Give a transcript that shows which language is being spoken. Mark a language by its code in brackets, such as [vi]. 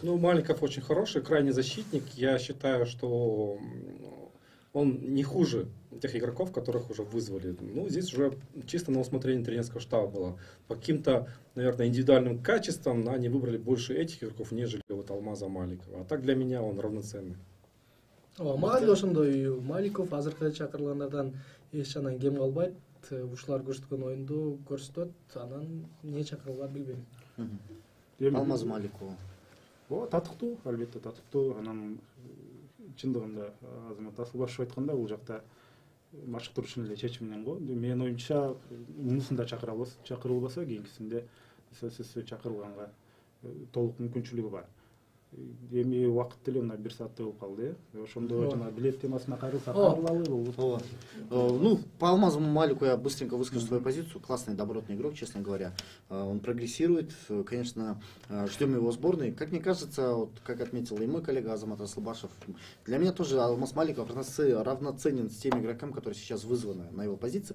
[ru] Ну, Маликов очень хороший, крайний защитник. Я считаю, что он не хуже тех игроков, которых уже вызвали. Ну, здесь уже чисто на усмотрение тренерского штаба было. По каким-то, наверное, индивидуальным качествам они выбрали больше этих игроков, нежели вот Алмаза Маликова. А так для меня он равноценный. [ky] Мал ошондой Маликов азыркы чакырылгандардан эч жанан кем калбайт. Ушулар көрсөткөн оюнду көрсөтөт, анан эмне чакырылган билбейм. Алмаз Маликов. Оо, татыктуу, албетте татыктуу. Анан чындыгында Азамат Асылбашев айтканда, бул жакта машыктыруучу эле чечим менен го. Менин оюмча мунусунда чакырабыз. Чакырылбаса кийинкисинде сөзсүз чакырылганга толук мүмкүнчүлүгү бар. Эми уакыт деле мына бир сааттай болуп калды. Ошондо жана билет темасына кайрылса кабыл алы. [ru] Ну, по Алмазу Малику я быстренько выскажу свою позицию. Классный, добротный игрок, честно говоря. Он прогрессирует. Конечно, ждем его сборной. Как мне кажется, вот как отметил и мой коллега Азамат Аслабашев, для меня тоже Алмаз Маликов равноценен с тем игроком, который сейчас вызван на его позиции.